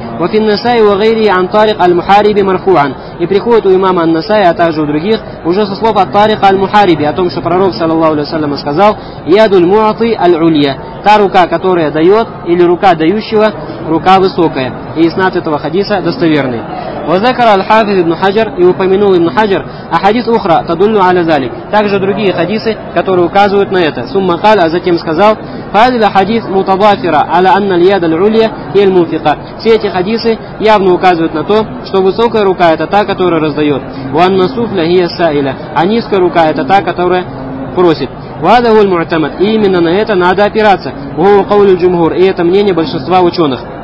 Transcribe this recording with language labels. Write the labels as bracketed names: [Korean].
[Arabic] «Вафин-насай ва гайри ан-тариq аль-мухариби марфуан», [Russian] и приходит у имама ан-насай, а также у других, уже со слов ат-тариq аль-мухариби, о том, что пророк саллаллаху алейхи ва саллям сказал: [Arabic] «Яду-ль-муати аль-улья», [Russian] та рука, которая дает, или рука дающего, рука высокая. И иснад этого хадиса достоверный. [Arabic] وذكر الحافظ ابن حجر [Russian] и упомянул ابن حجر [Arabic] أحاديث أخرى تدل على ذلك, [Russian] также другие хадисы, которые указывают на это. [Arabic] ثم قال, [Russian] а затем сказал: [Arabic] فهذه الأحاديث متضافرة على أن اليد العليا هي المنفقة, [Russian] все эти хадисы явно указывают на то, что высокая рука — это та, которая раздает, [Arabic] وأن السفلى هي السائلة, [Russian] а низкая рука — это та, которая просит. [Arabic] وهذا هو المعتمد, [Russian] и именно на это надо опираться. [Arabic] وهو قول الجمهور, [Russian] и это мнение большинства ученых.